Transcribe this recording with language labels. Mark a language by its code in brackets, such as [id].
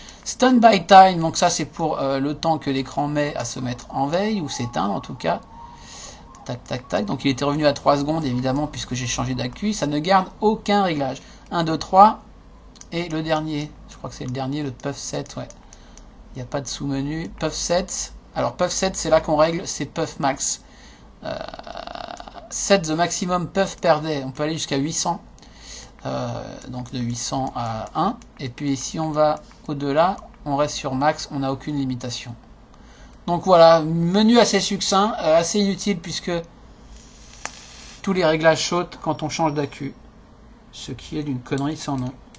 [fr] Standby time, donc ça c'est pour le temps que l'écran met à se mettre en veille, ou s'éteindre en tout cas. Tac, tac, tac. Donc il était revenu à 3 secondes, évidemment, puisque j'ai changé d'accu. Ça ne garde aucun réglage. 1, 2, 3. Et le dernier, je crois que c'est le dernier, le puff 7, ouais. Il n'y a pas de sous-menu. Puff 7. Alors, puff 7, c'est là qu'on règle, c'est puff max. [en] Set the maximum puff per day. [fr] On peut aller jusqu'à 800. Donc, de 800 à 1. Et puis, si on va au-delà, on reste sur max, on n'a aucune limitation. Donc, voilà, menu assez succinct, assez inutile, puisque tous les réglages sautent quand on change d'accu. Ce qui est d'une connerie sans nom.